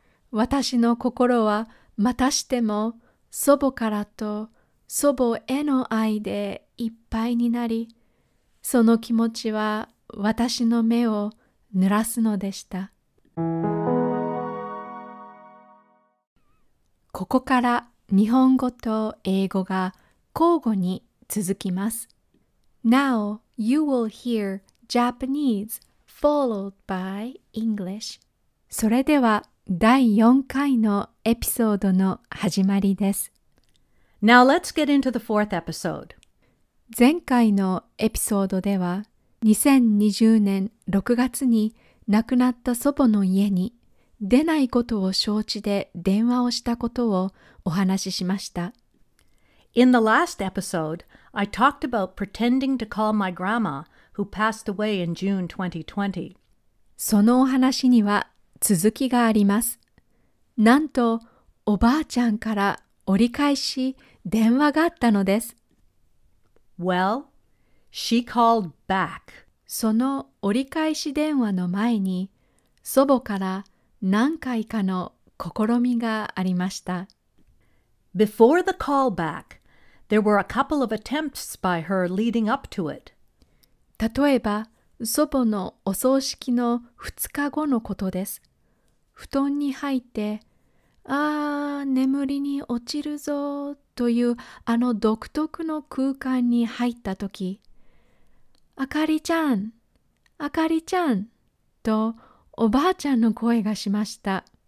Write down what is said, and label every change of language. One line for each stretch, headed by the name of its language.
Japanese: 私の心はまたしても祖母からと祖母への愛でいっぱいになり、その気持ちは私の目を濡らすのでした。ここから日本語と英語が交互に続きます。
English: Now you will hear Japanese followed by English.
Japanese: それでは第4回のエピソードの始まりです。
English: Now let's get into the fourth episode.
Japanese: 前回のエピソードでは2020年6月に亡くなった祖母の家に出ないことを承知で電話をしたことをお話ししました。
English: In the last episode, I talked about pretending to call my grandma, who passed away in June 2020.
Japanese: そのお話には続きがあります。なんと、おばあちゃんから折り返し電話があったのです。
English: Well, she called back.
Japanese: その折り返し電話の前に、祖母から何回かの試みがありました。
English: Before the callback, there were a couple of attempts by her leading up to it.
Japanese: 例えば、祖母のお葬式の2日後のことです。布団に入って、ああ、眠りに落ちるぞというあの独特の空間に入ったとき、あかりちゃん、あかりちゃんとおばあちゃんの声がしました。